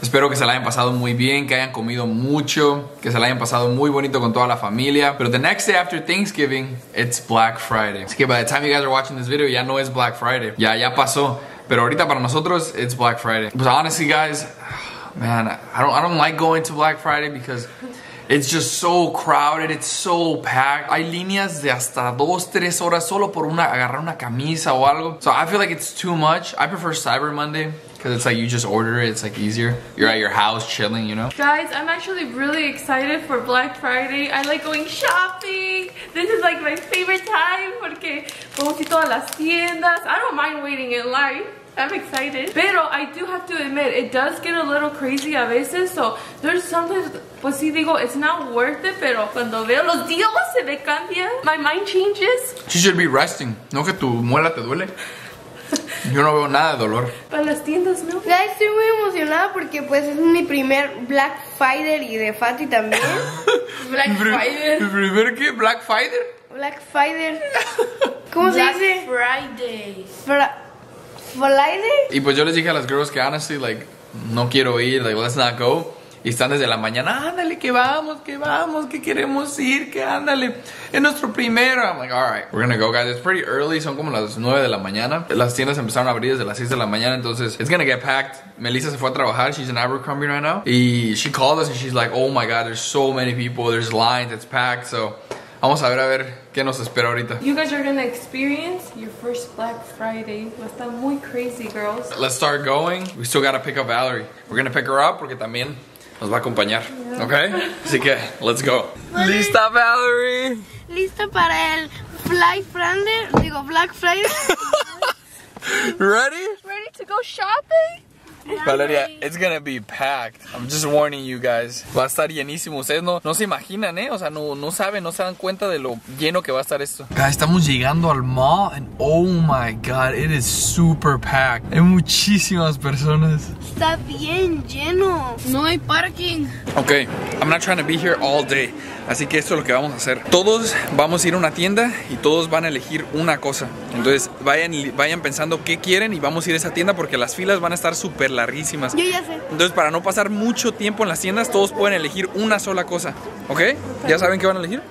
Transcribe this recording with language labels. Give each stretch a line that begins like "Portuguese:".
Spanish: Espero que se la hayan pasado muy bien, que hayan comido mucho, que se la hayan pasado muy bonito con toda la familia.
English: Pero the next day after Thanksgiving, it's Black Friday.
Spanish: Así que
English: by the time you guys are watching this video,
Spanish: ya no es Black Friday. Ya pasó. Pero ahorita para nosotros,
English: it's Black Friday. But honestly, guys, man, I don't like going to Black Friday because it's just so crowded, it's so packed.
Spanish: Hay líneas de hasta 2-3 horas solo por una agarrar una camisa o algo.
English: So I feel like it's too much. I prefer Cyber Monday because it's like you just order it, it's like easier. You're at your house chilling, you know? Guys, I'm actually really excited for Black Friday. I like going shopping. This is like my favorite time
Spanish: porque vamos a ir todas las tiendas.
English: I don't mind waiting in line. I'm excited. Pero I do have to admit, it does get a little crazy
Spanish: a veces.
English: So there's sometimes,
Spanish: pues sí digo,
English: it's not worth it.
Spanish: Pero cuando veo los deals, se me cambia.
English: My mind changes. She should be resting.
Spanish: No que tu muela te duele. Yo no veo nada de dolor. Para las tiendas, no. Ya estoy muy emocionada porque pues es mi primer Black Friday y de Fati también.
English: Black Friday.
Spanish: ¿Mi primer qué? ¿Black Friday?
English: Black Friday. ¿Cómo Black
Spanish: se dice?
English: Black Friday. ¿Volaide?
Spanish: Y pues yo les dije a las girls que
English: honestly, like,
Spanish: no quiero ir,
English: like, let's not go.
Spanish: Y están desde la mañana, ándale, que vamos, que queremos ir, que ándale. Es nuestro primero.
English: I'm like, alright, we're gonna go, guys. It's pretty early,
Spanish: son como las 9 de la mañana. Las tiendas empezaron a abrir desde las 6 de la mañana, entonces,
English: it's gonna get packed.
Spanish: Melissa se fue a trabajar,
English: she's in Abercrombie right now. Y she called us and she's like, oh my god, there's so many people, there's lines, it's packed, so
Spanish: vamos a ver qué nos espera ahorita.
English: You guys are gonna experience your first Black Friday with some muy crazy girls. Let's start going. We still gotta pick up Valerie. We're gonna pick her up
Spanish: porque también nos va a acompañar.
English: Yeah. Okay?
Spanish: Así que,
English: let's go.
Spanish: ¿Lista, Valerie? ¿Lista para el Black Friday? Digo, Black Friday.
English: Ready? Ready to go shopping? Valeria, it's gonna be packed. I'm just warning you guys.
Spanish: Va a estar llenísimo. Ustedes no se imaginan, eh. O sea, no saben, no se dan cuenta de lo lleno que va a estar esto.
English: Guys,
Spanish: estamos llegando al mall
English: and oh my god, it is super packed.
Spanish: Hay muchísimas personas. Está bien lleno. No hay parking.
English: Okay, I'm not trying to be here all day.
Spanish: Así que esto es lo que vamos a hacer. Todos vamos a ir a una tienda y todos van a elegir una cosa. Entonces vayan pensando qué quieren y vamos a ir a esa tienda porque las filas van a estar súper larguísimas. Yo ya sé. Entonces para no pasar mucho tiempo en las tiendas, todos pueden elegir una sola cosa. ¿Ok? Okay. ¿Ya saben qué van a elegir?